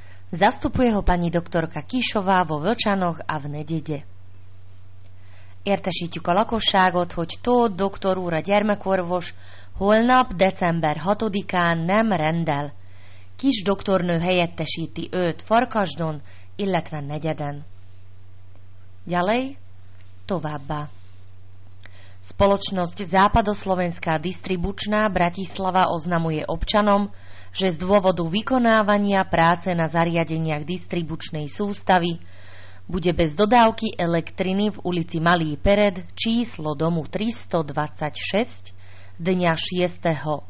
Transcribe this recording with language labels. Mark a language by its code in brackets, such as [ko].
[sk] Zastupuje ho pani doktorka Kisová vo Vlčanoch a v Nedede. [hu] Értesítjük a lakosságot, hogy Tóth doktor úr a gyermekorvos holnap december 6-án nem rendel. Kis doktornő helyettesíti őt Farkasdon, illetve Negyeden. Gyalej, továbbá. [sk] Spoločnosť Západoslovenská distribučná Bratislava oznamuje občanom, že z dôvodu vykonávania práce na zariadeniach distribučnej sústavy bude bez dodávky elektriny v ulici Malý Pered číslo domu 326 dňa 6.